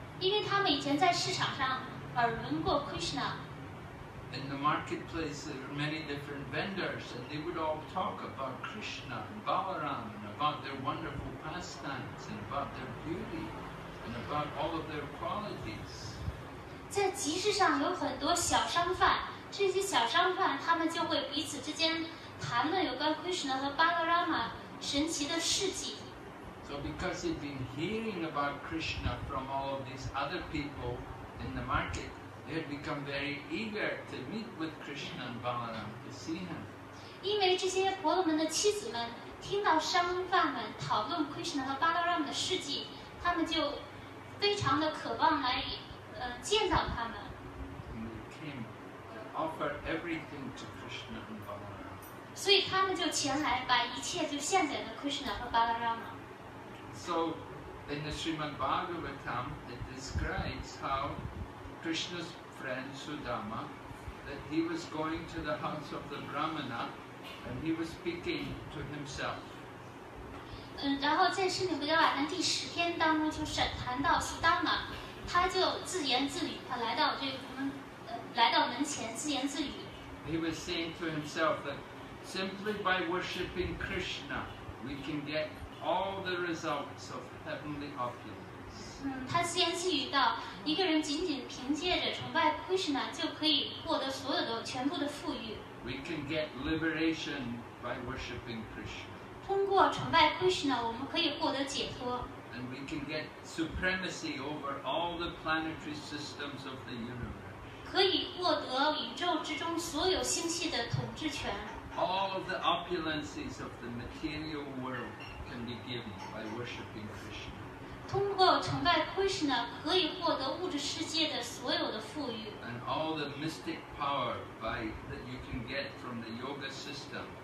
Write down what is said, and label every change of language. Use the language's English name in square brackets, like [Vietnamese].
[Chinese] 因为他们以前在市场上耳闻过 Krishna. [English] In the marketplace, there were many different vendors, and they would all talk about Krishna and Balaram and about their wonderful pastimes and about their beauty and about all of their qualities. [Chinese] 在集市上有很多小商贩，这些小商贩他们就会彼此之间。谈论有关 Krishna 和 Balarama 神奇的事迹。 [English] So because they've been hearing about Krishna from all of these other people in the market, they had become very eager to meet with Krishna and Balarama to see him. [Chinese] 因为这些婆罗门的妻子们听到商贩们讨论 Krishna 和 Balarama 的事迹，他们就非常的渴望来见到他们。 [English] And they came to offer everything to Krishna and Balarama. [Chinese] 所以他们就前来把一切就献给了 Krishna 和 Balarama. [English] So in the Srimad Bhagavatam, it describes how Krishna's friend Sudama, that he was going to the house of the Brahmana, and he was speaking to himself. [Chinese] 然后在《释迦牟尼佛》的第十篇当中，就是谈到苏达玛，他就自言自语，他来到这个门，来到门前自言自语。 [English] He was saying to himself that simply by worshipping Krishna, we can get all the results of heavenly opulence. [Chinese] 他自言自语道，一个人仅仅凭借着崇拜 Krishna 就可以获得所有的全部的富裕。 [English] We can get liberation by worshipping Krishna. [Chinese] 通过崇拜 Krishna 我们可以获得解脱。 [English] And we can get supremacy over all the planetary systems of the universe. [Chinese] 可以获得宇宙之中所有星系的统治权。 [English] All of the opulences of the material world can be given by worshipping Krishna. [Chinese] 通过崇拜 Krishna 可以获得物质世界的所有的富裕。 [English] And all the mystic power by, that you can get from the yoga system.